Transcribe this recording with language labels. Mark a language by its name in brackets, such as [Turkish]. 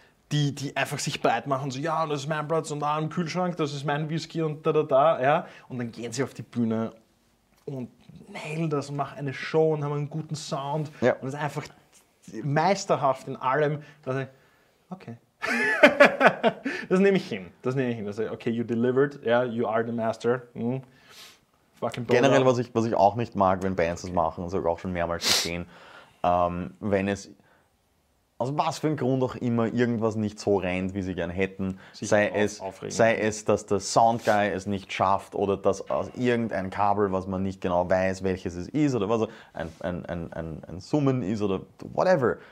[German] Die einfach sich breit machen, so, ja, das ist mein Platz und da im Kühlschrank, das ist mein Whisky und da. Ja. Und dann gehen sie auf die Bühne und nailen das und machen eine Show und haben einen guten Sound. Ja. Und es ist einfach meisterhaft in allem. Da sage ich, okay. Das nehme ich hin. Also, [English] okay, you delivered, yeah, you are the master. Mm. [German] Fucking generell, was ich auch nicht mag, wenn Bands das machen, das habe ich auch schon mehrmals gesehen, wenn es aus was für einem Grund auch immer irgendwas nicht so rennt, wie sie gern hätten, sei es, dass der Soundguy es nicht schafft oder dass aus irgendeinem Kabel, was man nicht genau weiß, welches es ist oder was, ein Summen ist oder whatever.